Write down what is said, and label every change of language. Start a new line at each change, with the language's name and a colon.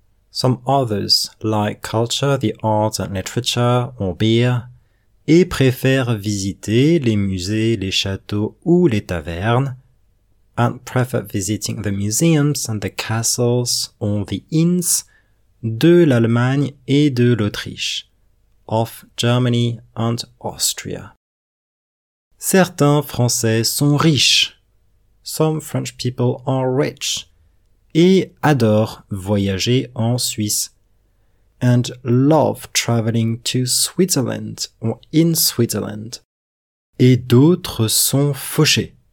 English: Some others like culture, the arts and literature, or beer,
French: et préfèrent visiter les musées, les châteaux ou les tavernes,
English: and prefer visiting the museums and the castles or the inns,
French: de l'Allemagne et de l'Autriche,
English: of Germany and Austria.
French: Certains Français sont riches.
English: Some French people are rich.
French: Et adorent voyager en Suisse.
English: And love traveling to Switzerland or in Switzerland.
French: Et d'autres sont fauchés.